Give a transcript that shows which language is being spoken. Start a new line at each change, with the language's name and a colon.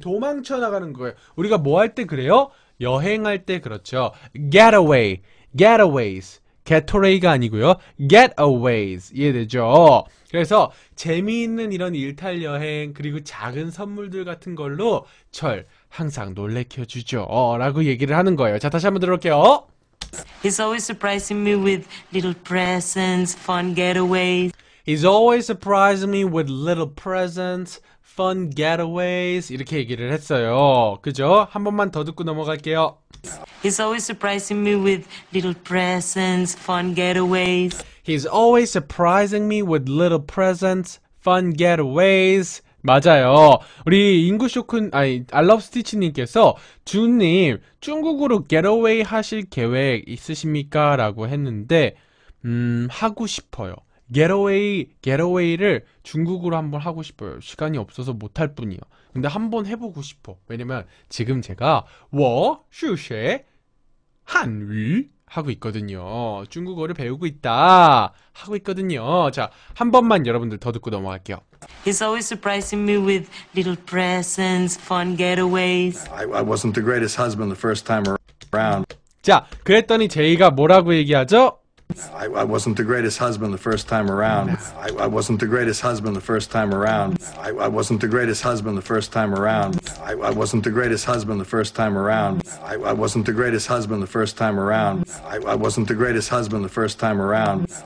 Korean: 도망쳐 나가는 거예요. 우리가 뭐 할 때 그래요? 여행할 때 그렇죠.
English: Get away. Get aways.
Korean: Getaway가 아니고요. Get aways. 이해되죠? 그래서 재미있는 이런 일탈 여행 그리고 작은 선물들 같은 걸로 절 항상 놀래켜 주죠. 라고 얘기를 하는 거예요. 자, 다시 한번 들어볼게요.
English: He's always surprising me with little presents, fun getaways. He's always surprising me with little presents, fun getaways.
Korean: 이렇게 얘기를 했어요. 그죠? 한 번만 더 듣고 넘어갈게요.
English: He's always surprising me with little presents, fun getaways. He's always surprising me with little presents, fun getaways.
Korean: 맞아요. 우리 인구쇼쿤, 아니, 알럽스티치님께서 준님, 중국으로 getaway 하실 계획 있으십니까? 라고 했는데, 하고 싶어요. Getaway를 중국으로 한번 하고 싶어요. 시간이 없어서 못할 뿐이요. 근데 한번 해보고 싶어. 왜냐면 지금 제가
Chinese: 워, 슈쉐, 한위
Korean: 하고 있거든요. 중국어를 배우고 있다 하고 있거든요. 자, 한 번만 여러분들 더 듣고 넘어갈게요.
English: He's always surprising me with little presents, fun getaways. I wasn't the greatest husband the first time around.
Korean: 자, 그랬더니 제이가 뭐라고 얘기하죠?
English: I wasn't the greatest husband the first time around. I wasn't the greatest husband the first time around. I wasn't the greatest husband the first time around. I wasn't the greatest husband the first time around. I wasn't the greatest husband the first time around. I wasn't the greatest husband the first time around.